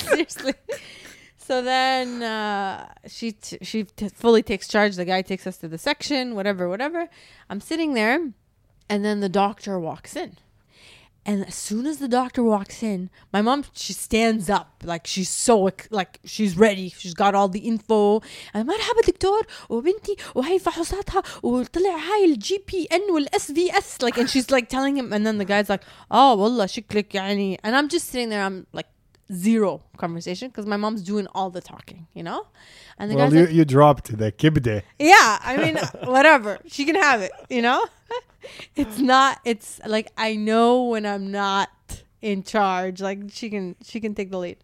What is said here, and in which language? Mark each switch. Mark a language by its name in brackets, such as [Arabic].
[English] Seriously. So then she fully takes charge. The guy takes us to the section, whatever, whatever. I'm sitting there, and then the doctor walks in. And as soon as the doctor walks in, my mom, she stands up. Like, she's so, like, she's ready. She's got all the info. [Arabic] مرحبا دكتور وبنتي وهي فحوصاتها وطلع هاي الجي بي ان والSVS. [English] Like, and she's, like, telling him. And then the guy's like, oh, [Arabic] والله شكلك يعني. [English] And I'm just sitting there. I'm like, zero conversation because my mom's doing all the talking, you know. And the well, guy's you, like, you dropped the kibde. Yeah, I mean, whatever, she can have it, you know. It's not, it's like, I know when I'm not in charge, like she can take the lead.